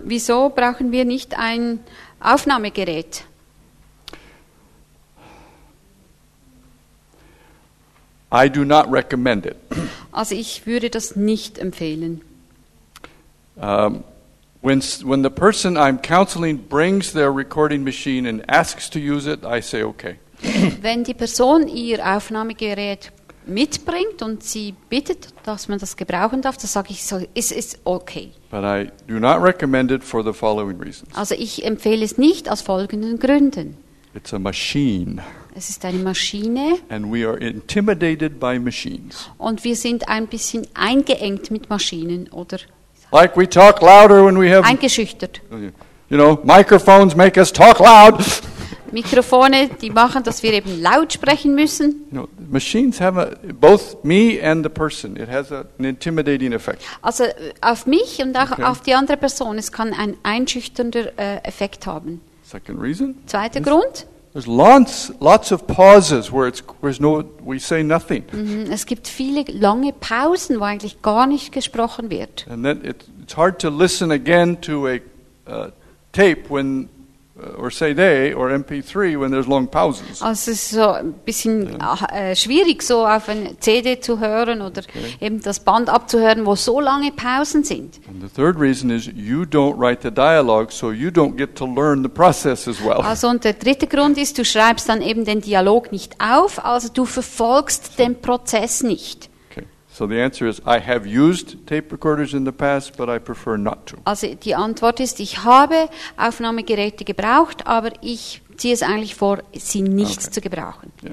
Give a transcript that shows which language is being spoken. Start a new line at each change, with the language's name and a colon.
German: Wieso brauchen wir nicht ein Aufnahmegerät?
English: I do not recommend it.
German: Also ich würde das nicht empfehlen.
English: When the person I'm counseling brings their recording machine and asks to use it, I say okay.
German: Wenn die Person ihr Aufnahmegerät mitbringt und sie bittet, dass man das gebrauchen darf, dann sage ich, so, es ist okay.
English: But I do not recommend it for the following reasons.
German: Also ich empfehle es nicht aus folgenden Gründen.
English: It's a machine.
German: Es ist eine Maschine.
English: And we are intimidated by machines.
German: Und wir sind ein bisschen eingeengt mit Maschinen, oder?
English: Like we talk louder when we have
German: eingeschüchtert.
English: You know, microphones make us talk loud.
German: Mikrofone, die machen, dass wir eben laut sprechen müssen.
English: You know, machines have a, both me and the person. It has a, an intimidating effect.
German: Also auf mich und auch okay. auf die andere Person. Es kann ein einschüchternder Effekt haben.
English: Second reason.
German: Zweiter Grund.
English: There's lots of pauses where it's where's no we say nothing.
German: Es gibt viele lange Pausen, wo eigentlich gar nicht gesprochen wird.
English: And then it's hard to listen again to a tape when or CD or MP3 when there's long pauses.
German: Also es ist so ein bisschen schwierig, so auf eine CD zu hören oder okay. eben das Band abzuhören, wo so lange Pausen sind.
English: And the third reason is you don't write the dialogue, so you don't get to learn the process as well.
German: Also und der dritte Grund ist, du schreibst dann eben den Dialog nicht auf, also du verfolgst den Prozess nicht.
English: So the answer is I have used tape recorders in the past but I prefer not to.
German: Also die Antwort ist, ich habe Aufnahmegeräte gebraucht, aber ich ziehe es eigentlich vor, sie nicht okay. zu gebrauchen.